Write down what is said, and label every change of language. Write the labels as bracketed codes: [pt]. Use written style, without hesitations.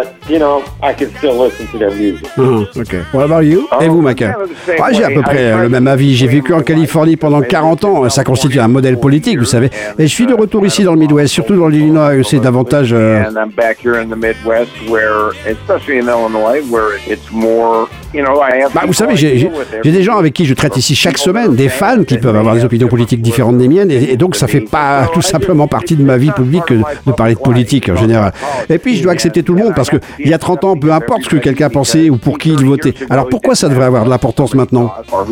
[en] you know, I can still listen to their music. Mm-hmm. Okay. What about you? [fr] Et vous, [en] Michael? [fr] Ouais, j'ai à peu près le même avis. J'ai vécu en Californie pendant 40 ans. Ça constitue un modèle politique, vous savez. Et je suis de retour ici dans le Midwest, surtout dans l'Illinois, où c'est davantage... [en] And I'm back here in the Midwest, where, especially in Illinois, where it's more... [fr] Bah, vous savez, j'ai des gens avec qui je traite ici chaque semaine, des fans qui peuvent avoir des opinions politiques différentes des miennes, et donc ça fait pas tout simplement partie de ma vie publique que de parler de politique en général. Et puis je dois accepter tout le monde, parce qu'il y a 30 ans, peu importe ce que quelqu'un pensait ou pour qui il votait. Alors pourquoi ça devrait avoir de l'importance maintenant ?